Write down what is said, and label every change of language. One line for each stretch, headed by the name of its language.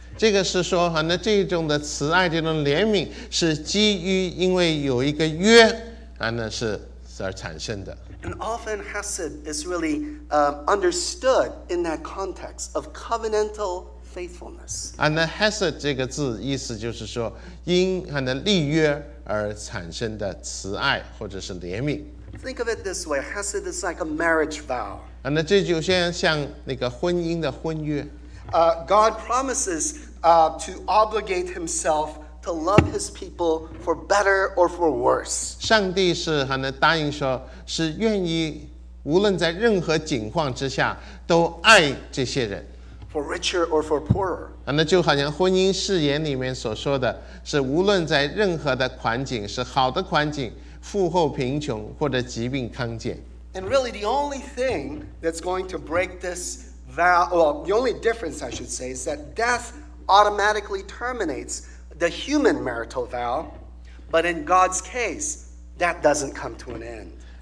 Chinese: 这个是说这种的慈爱这种怜悯是基于因为有一个约是而产生的。
English: And often chesed is really understood in that context of covenantal faithfulness.
Chinese: Chesed 这个字意思就是说因立约而产生的慈爱或者是怜悯。
English: Think of it this way, chesed is like a marriage vow.
Chinese: 这就像那个婚姻的婚约。
English: God promises to obligate himself to love his people for better or for worse.
Chinese: 上帝是答应说是愿意无论在任何境况之下都爱这些人。
English: For richer or for poorer.
Chinese: 就好像婚姻誓言里面所说的是无论在任何的环境是好的环境富后贫穷或者疾病康健。
English: And really the only thing that's going to break this the only difference I should say is that death automatically terminates the human marital vow, but in God's case, that doesn't come to an end.